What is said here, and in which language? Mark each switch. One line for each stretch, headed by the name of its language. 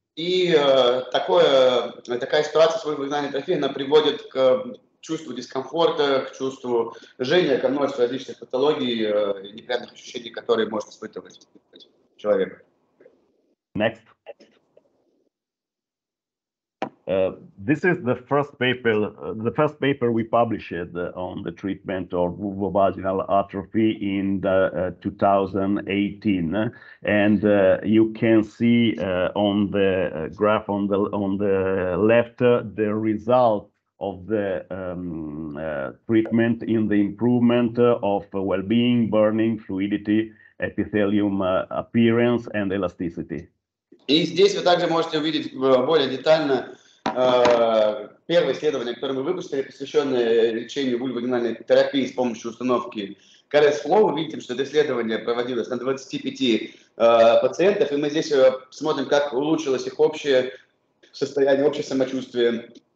Russian: И такая ситуация с вульвовагинальной атрофией она приводит к чувству дискомфорта, к чувству жжения, ко множеству различных патологий и неприятных ощущений, которые может испытывать человек.
English: Next. This is the first paper we published on the treatment of vulvovaginal atrophy in 2018, and you can see on the graph on the left the result of the treatment in the improvement of well-being, burning, fluidity, epithelium appearance and elasticity.
Russian: И здесь вы также можете увидеть более детально первое исследование, которое мы выпустили, посвященное лечению вульвовагинальной терапии с помощью установки CRS Flow. Мы видим, что это исследование проводилось на 25 пациентов, и мы здесь смотрим, как улучшилось их общее состояние, общее самочувствие.